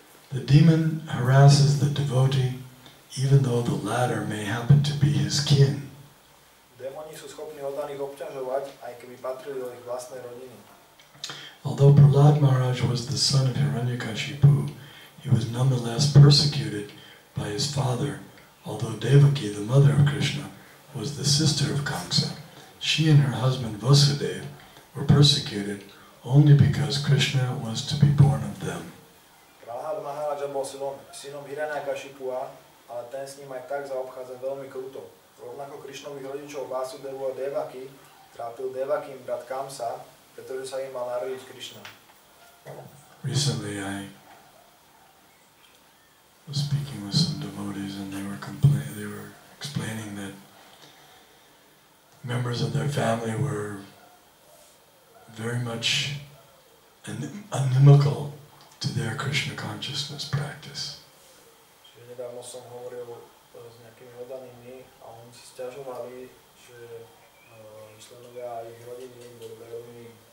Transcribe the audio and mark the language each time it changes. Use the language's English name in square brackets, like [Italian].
[English] The demon harasses the devotee even though the latter may happen to be his kin. [Slovak] Démoni sú schopní oddaných obťažovať, aj keby patrili do ich vlastnej rodiny. [English] Although Prahlad Maharaj was the son of Hiranyakashipu, he was nonetheless persecuted by his father, although Devaki, the mother of Krishna, was the sister of Kamsa. She and her husband Vasudev were persecuted only because Krishna was to be born of them. [Slovak] Prahlad Maharaja bol synom Hiranyakashipua, ale ten s ním aj tak zaobchádzal veľmi kruto. Rovnako Krishnových rodičov Vasudevu a Devaki trápil Devakim brat Kamsa, pretože sa im mal narodiť Krishna. [English] Recently I was speaking with some devotees and they were explaining that members of their family were very much inimical to their Krishna consciousness practice. [Slovak] Čiže nedávno som hovoril s nejakými oddanými a oni si sťažovali, že členovia ich rodiny boli veľmi.